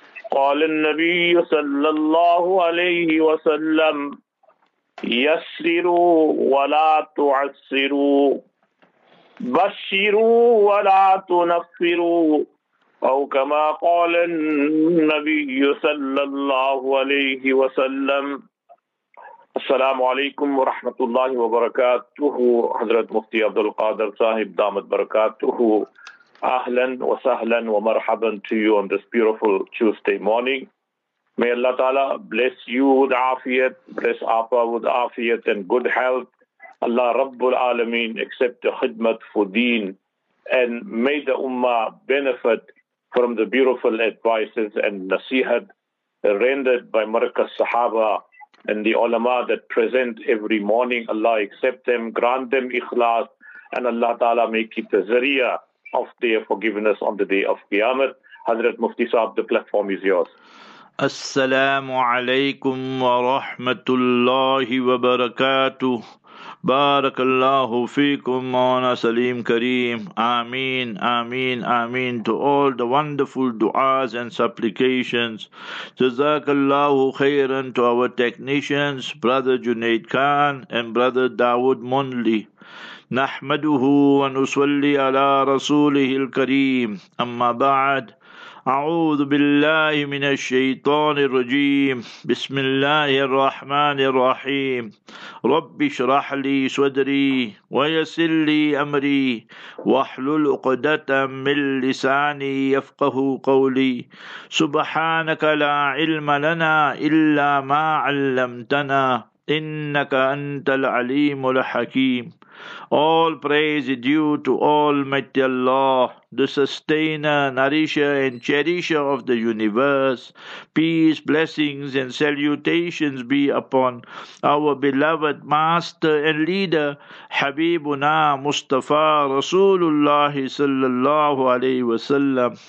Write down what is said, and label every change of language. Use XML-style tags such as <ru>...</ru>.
<ar>قال النبي صلى الله عليه وسلم يسروا ولا تعسروا بشروا ولا تنفروا أو كما قال النبي صلى الله عليه وسلم. السلام عليكم ورحمة الله وبركاته. حضرت مفتي عبد القادر صاحب دامت بركاته, أهلا وسهلا ومرحبا</ar> <en>to you on this beautiful Tuesday morning. May Allah Ta'ala bless you with afiyat, bless Apa with afiyat and good health. Allah Rabbul Alameen accept the khidmat for deen and may the ummah benefit from the beautiful advices and nasihat rendered by Markaz Sahaba and the ulama that present every morning. Allah accept them, grant them ikhlas, and Allah Ta'ala make it the zariya of their forgiveness on the day of Qiyamah. Hazrat Mufti Sahab, the platform is yours.</en> <ar>Assalamu alaikum wa rahmatullahi wa barakatuh. بارك الله فيكم مولانا سليم كريم. آمين آمين آمين</ar> <en>to all the wonderful du'as and supplications.</en> <ar>جزاك الله خيرا</ar> <en>to our technicians, brother Junaid Khan and brother Dawood Munli.</en> <ar>نحمده ونصلي على رسوله الكريم. أما بعد, أعوذ بالله من الشيطان الرجيم. بسم الله الرحمن الرحيم. رب اشرح لي صدري ويسر لي أمري واحلل عقدة من لساني يفقه قولي. سبحانك لا علم لنا إلا ما علمتنا إنك أنت العليم الحكيم.</ar> <en>All praise is due to Almighty Allah, the sustainer, nourisher and cherisher of the universe. Peace, blessings and salutations be upon our beloved master and leader, Habibuna Mustafa Rasulullah sallallahu alayhi wa sallam.</en>